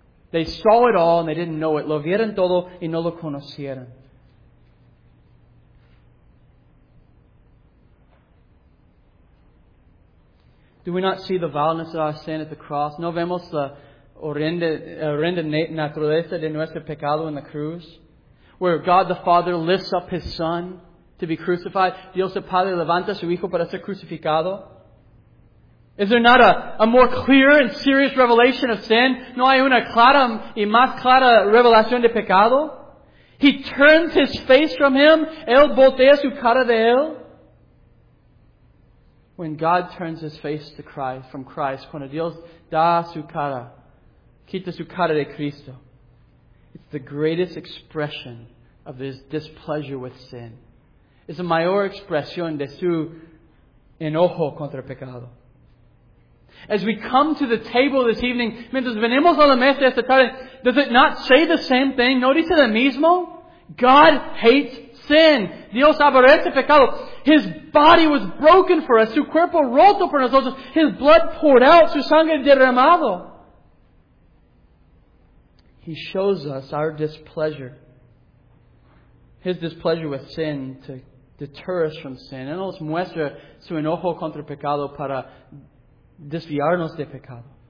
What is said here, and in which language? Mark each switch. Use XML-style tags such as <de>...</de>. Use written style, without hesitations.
<en>They saw it all and they didn't know it.</en> <es>Lo vieron todo y no lo conocieron.</es> <en>Do we not see the vileness of our sin at the cross?</en> <es>No vemos la horrenda naturaleza de nuestro pecado en la cruz?</es> <en>Where God the Father lifts up His Son to be crucified.</en> <es>Dios el Padre levanta su Hijo para ser crucificado.</es> <en>Is there not a more clear and serious revelation of sin?</en> <es>No hay una clara y más clara revelación de pecado.</es> <en>He turns His face from Him.</en> <es>Él voltea su cara de Él.</es> <en>When God turns His face to Christ, from Christ,</en> <es>cuando Dios da su cara, quita su cara de Cristo,</es> <en>it's the greatest expression of His displeasure with sin.</en> <es>Es la mayor expresión de su enojo contra el pecado.</es> <en>As we come to the table this evening,</en> <es>mientras venimos a la mesa esta tarde,</es> <en>does it not say the same thing?</en> <es>¿No dice lo mismo?</es> <en>God hates sin.</en> <es>Dios aborrece el pecado.</es> <en>His body was broken for us.</en> <es>Su cuerpo roto por nosotros.</es> <en>His blood poured out.</en> <es>Su sangre derramado.</es> <en>He shows us our displeasure. His displeasure with sin to deter us from sin.</en> <es>Él nos muestra su enojo contra el pecado para desviarnos de pecado.</es>